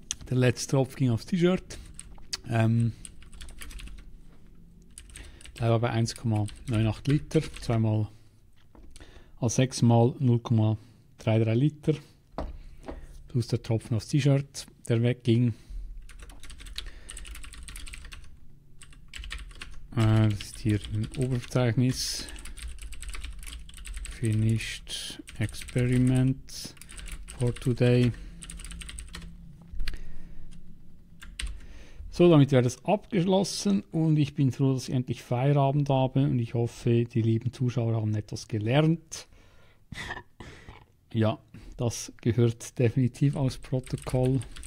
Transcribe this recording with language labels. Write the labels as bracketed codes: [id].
[de] Der letzte Tropf ging aufs T-Shirt. Der war bei 1,98 Liter, zweimal, also sechsmal 0,33 Liter. Plus der Tropfen aufs T-Shirt, der wegging. Das ist hier im Oberverzeichnis. [en] Finished Experiment for today. [de] So, damit wäre das abgeschlossen und ich bin froh, dass ich endlich Feierabend habe und ich hoffe, die lieben Zuschauer haben etwas gelernt. Ja, das gehört definitiv aufs Protokoll.